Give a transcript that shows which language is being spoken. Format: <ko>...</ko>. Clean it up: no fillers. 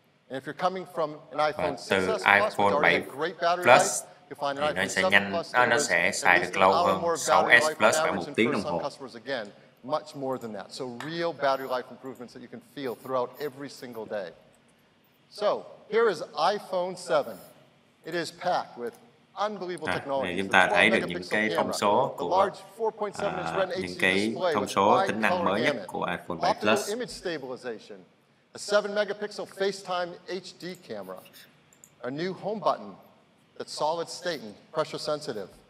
<en>And if you're coming from an iPhone 6S,</en> <vi>iPhone 7 Plus thì nó sẽ nhanh, nó sẽ xài được lâu hơn 6S Plus khoảng 1 tiếng đồng hồ.</vi> <en>Much more than that. So real battery life improvements that you can feel throughout every single day. So, here is iPhone 7. It is packed with unbelievable technology.</en> <vi>Chúng ta thấy được những cái thông số của những cái thông số tính năng mới nhất của iPhone 7 Plus.</vi> <en>Image stabilization, a 7 megapixel FaceTime HD camera, a new home button that's solid state and pressure sensitive.</en>